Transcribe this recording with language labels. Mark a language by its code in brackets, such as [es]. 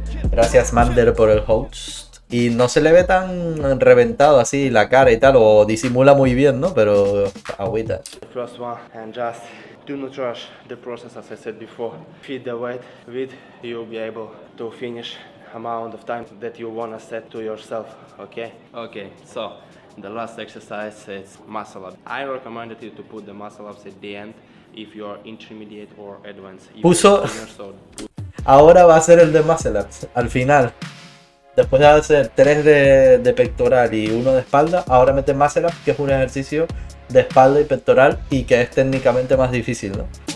[es] Gracias, Mander, por el host. Y no se le ve tan reventado así la cara y tal, o disimula muy bien, ¿no? Pero agüita. [en] First one, and just do not rush the process, as I said before. Feed the weight with, you'll be able to finish amount of time that you wanna set to yourself, okay? Okay, so. The last exercise is muscle up. I recommended you to put the muscle ups at the end if you are intermediate or advanced. [es] Puso. Ahora va a ser el de muscle ups al final. Después de hacer 3 de pectoral y 1 de espalda, ahora mete muscle up, que es un ejercicio de espalda y pectoral y que es técnicamente más difícil, ¿no?